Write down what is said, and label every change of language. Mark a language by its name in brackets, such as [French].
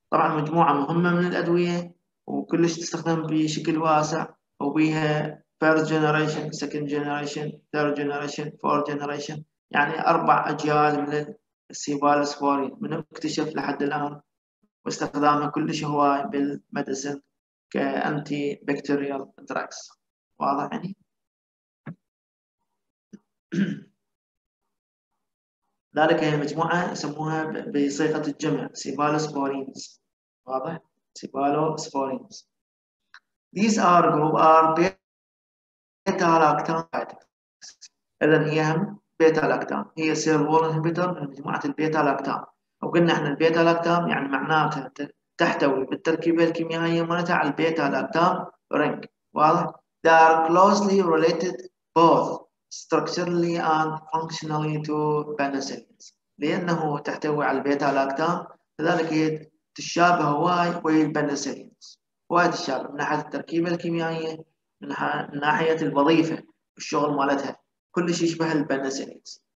[Arabic] طبعا مجموعه مهمه من الادويه وكلش تستخدم بشكل واسع وبيها فيرست جنريشن سكند جنريشن ثيرد جنريشن فورث جنريشن يعني اربع اجيال من السيبالوسبورين من اكتشف لحد الان واستخدامها كلش هواي بالمدسن كانتي بكتيريال دراكس. واضح يعني؟ ذلك هي مجموعة يسموها بصيغة الجمع سيبالوسبورينز. واضح؟ سيبالوسبورينز. [English] These are group are beta lactams. [Arabic] إذا هي هم beta lactam. هي cell wall inhibitor من مجموعة البيتا لاكتام. وقلنا احنا البيتا لاكتام يعني معناتها تحتوي بالتركيبة الكيميائية مالتها على البيتا لاكتام رينج. واضح؟ [English] They are closely related both structurally and functionally to penicillins [Arabic] لانه تحتوي على البيتا لاكتام لذلك هي تشابه هواي ويا البنسلينز هواي تشابه من ناحيه التركيبه الكيميائيه من ناحيه الوظيفه الشغل مالتها كلش يشبه البنسلينز.